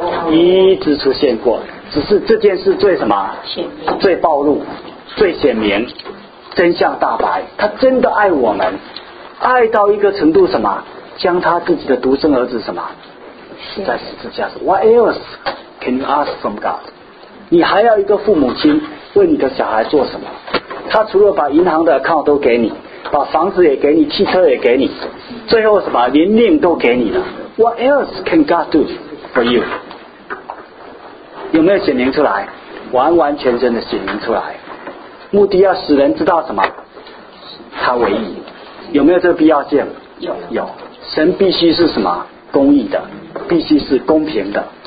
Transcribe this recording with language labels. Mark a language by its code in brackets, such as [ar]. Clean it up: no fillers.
[zh] 一直出现过，只是这件事最什么最暴露最显明，真相大白，他真的爱我们，爱到一个程度什么将他自己的独生儿子什么在十字架上。 [en] What else can you ask from God? [zh] 你还要一个父母亲为你的小孩做什么？他除了把银行的 account 都给你，把房子也给你，汽车也给你，最后什么连命都给你了。 [en] What else can God do for you? [zh] 有没有显明出来？完完全全的显明出来，目的要使人知道什么他唯一。有没有这个必要性？有。神必须是什么公义的，必须是公平的。